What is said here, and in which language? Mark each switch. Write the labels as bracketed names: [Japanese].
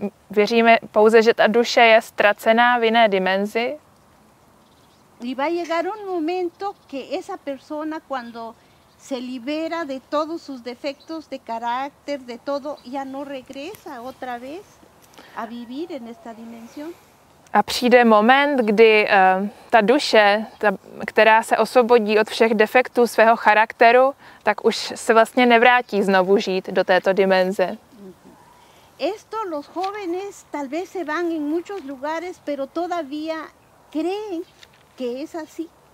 [Czech] Věříme pouze, že ta duše je ztracená v jiné dimenzi. [Spanish] Y va a llegar un momento que esa persona cuando se libera de todos sus defectos de carácter, de todo, ya no regresa otra vez a vivir en esta dimensión. [Czech] A přijde moment, kdy ta duše, která se osvobodí od všech defektů svého charakteru, tak už se vlastně nevrátí znovu žít do této dimenze. [Spanish] Esto los jóvenes tal vez se van en muchos lugares, pero todavía creen que es así.